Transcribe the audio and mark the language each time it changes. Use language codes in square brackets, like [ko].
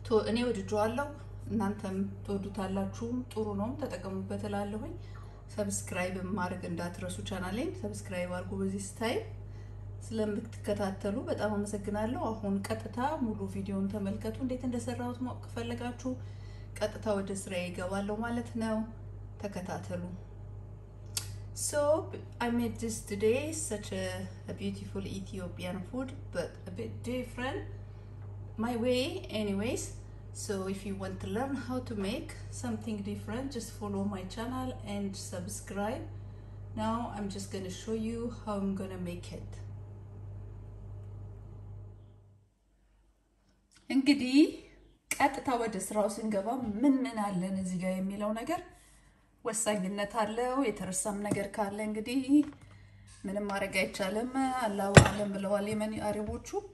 [am] እኔ ወድጄዋለሁ፣ እናንተም ትወዱታላችሁ። ጥሩ ነውም፣ ተጠቀሙበት እላለሁኝ። ሰብስክራይብ ማድረግ እንዳትረሱ፣ ቻናሌን ሰብስክራይብ አድርጉ። በዚህ ስታይል ስለምትከታተሉ በጣም አመሰግናለሁ። አሁን ቀጥታ ሙሉ ቪዲዮን ተመልከቱ። እንዴት እንደሰራሁት ማወቅ ከፈለጋችሁ ቀጥታ ወደ ስራ ይገባለሁ ማለት ነው። ተከታተሉ። [en] So I made this today such a beautiful Ethiopian food but a bit different my way anyways. So if you want to learn how to make something different, just follow my channel and subscribe. Now I'm just going to show you how I'm going to make it. [am] እንግዲህ ቀጥታ ወደ ስራው ስንገባ ምን ምን አለን እዚህ ጋር የሚለው ነገር ወሳኝነት አለው። የተረሳም ነገር ካለ እንግዲህ ምንም ማድረግ አይቻልም። አላው አለም ብለዋል የመን አረቦቹ።